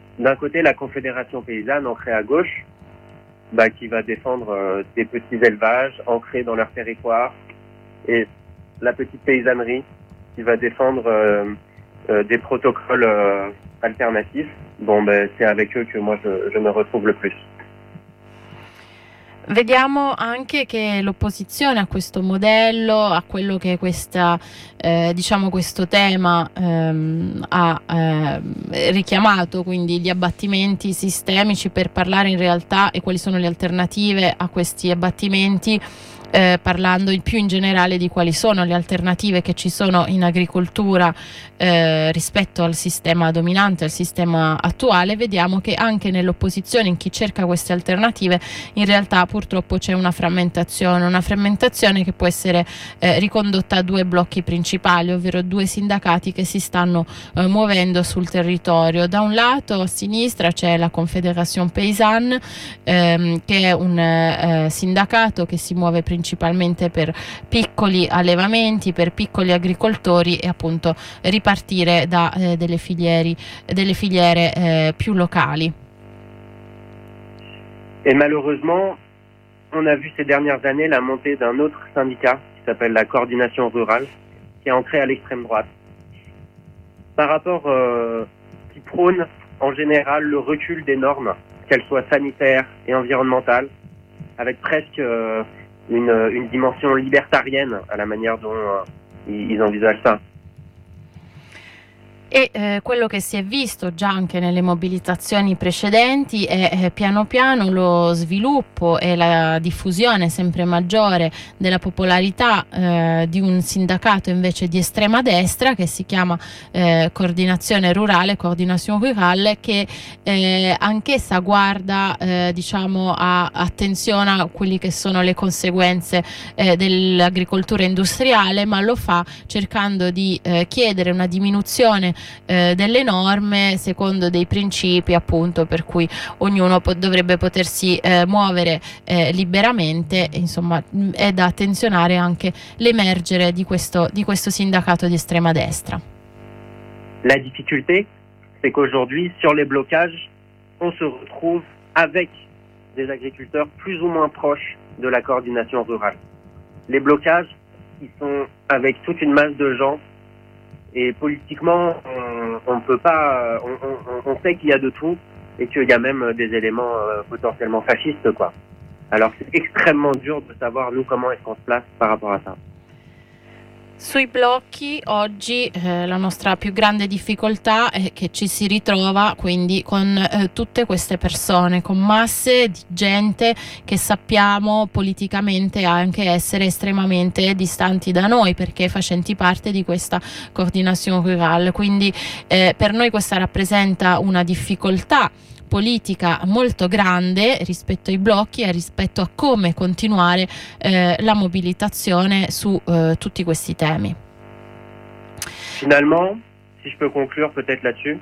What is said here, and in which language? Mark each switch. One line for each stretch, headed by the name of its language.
French: D'un côté, la Confédération paysanne ancrée à gauche, qui va défendre des petits élevages ancrés dans leur territoire, et la petite paysannerie qui va défendre des protocoles alternatifs. C'est avec eux que moi je me retrouve le plus.
Italian: Vediamo anche che l'opposizione a questo modello, a quello che questa, diciamo questo tema ha richiamato, quindi gli abbattimenti sistemici, per parlare in realtà e quali sono le alternative a questi abbattimenti, parlando in più in generale di quali sono le alternative che ci sono in agricoltura rispetto al sistema dominante, al sistema attuale, vediamo che anche nell'opposizione, in chi cerca queste alternative, in realtà purtroppo c'è una frammentazione che può essere ricondotta a due blocchi principali, ovvero due sindacati che si stanno muovendo sul territorio. Da un lato, a sinistra, c'è la Confédération Paysanne, che è un sindacato che si muove principalmente per piccoli allevamenti, per piccoli agricoltori, e appunto ripartire da delle filiere più locali.
French: Et malheureusement, on a vu ces dernières années la montée d'un autre syndicat qui s'appelle la Coordination Rurale, qui est ancré à l'extrême droite. Par rapport qui prône en général le recul des normes, qu'elles soient sanitaires et environnementales, avec presque une dimension libertarienne à la manière dont ils envisagent ça.
Italian: E quello che si è visto già anche nelle mobilitazioni precedenti è piano piano lo sviluppo e la diffusione sempre maggiore della popolarità di un sindacato invece di estrema destra, che si chiama Coordinazione Rurale, Coordination Rurale, che anch'essa guarda attenzione a quelli che sono le conseguenze dell'agricoltura industriale, ma lo fa cercando di chiedere una diminuzione delle norme secondo dei principi, appunto, per cui ognuno dovrebbe potersi muovere liberamente. Insomma, è da attenzionare anche l'emergere di questo sindacato di estrema destra.
French: La difficulté, c'est qu'aujourd'hui, sur les blocages, on se retrouve avec des agriculteurs plus ou moins proches de la coordination rurale. Les blocages, ils sont avec toute une masse de gens. Et politiquement, on sait qu'il y a de tout et qu'il y a même des éléments potentiellement fascistes, quoi. Alors c'est extrêmement dur de savoir nous comment est-ce qu'on se place par rapport à ça.
Italian: Sui blocchi oggi la nostra più grande difficoltà è che ci si ritrova quindi con tutte queste persone, con masse di gente che sappiamo politicamente anche essere estremamente distanti da noi, perché facenti parte di questa coordination rurale. Quindi per noi questa rappresenta una difficoltà politica molto grande rispetto ai blocchi e rispetto a come continuare la mobilitazione su tutti questi temi.
French: Finalement, si je peux conclure peut-être là-dessus.